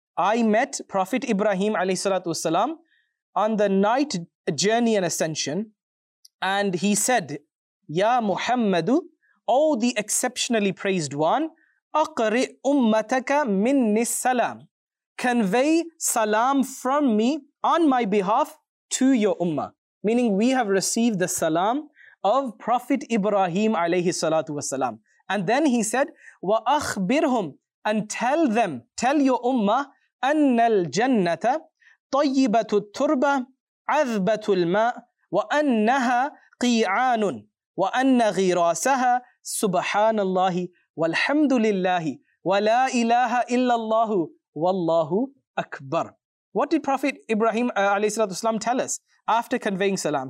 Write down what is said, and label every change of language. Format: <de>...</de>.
<en>I met Prophet Ibrahim alayhi salatu wasalam on the night journey and ascension, and he said, Ya Muhammadu, O the exceptionally praised one,</en> <ar>أقرئ أمتك مني السلام.</ar> <en>Convey salam from me on my behalf to your ummah. Meaning we have received the salam of Prophet Ibrahim alayhi salatu wasalam. And then he said,</en> <ar>وَأَخْبِرْهُمْ</ar> <en>and tell them, tell your ummah,</en> <ar>أَنَّ الْجَنَّةَ طَيِّبَةُ التُّرْبَةُ عَذْبَةُ الْمَاءُ وَأَنَّهَا قِيْعَانٌ وَأَنَّ غِيْرَاسَهَا سُبْحَانَ اللَّهِ وَالْحَمْدُ لِلَّهِ وَلَا إِلَهَ إِلَّا اللَّهُ وَاللَّهُ أَكْبَرُ.</ar> <en>What did Prophet Ibrahim ﷺ tell us after conveying salam?</en>